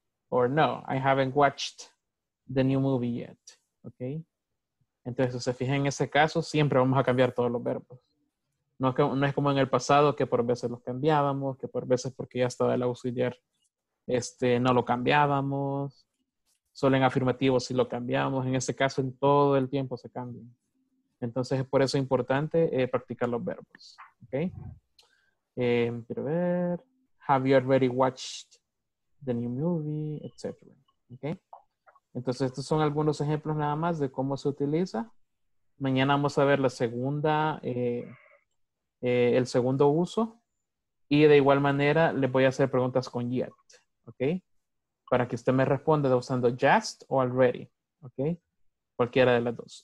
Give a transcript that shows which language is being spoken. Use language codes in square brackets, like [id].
[en] Or no, I haven't watched the new movie yet. Okay. [es] Entonces, si se fijan en ese caso, siempre vamos a cambiar todos los verbos. No es como en el pasado que por veces los cambiábamos, que por veces porque ya estaba el auxiliar. Este, no lo cambiábamos, solo en afirmativo sí lo cambiábamos, en este caso en todo el tiempo se cambia. Entonces por eso es importante practicar los verbos. Okay. Quiero ver, [en] have you already watched the new movie, etc. Okay. [es] Entonces estos son algunos ejemplos nada más de cómo se utiliza. Mañana vamos a ver la segunda, el segundo uso y de igual manera les voy a hacer preguntas con yet. Okay, para que usted me responda usando just o already, okay, cualquiera de las dos.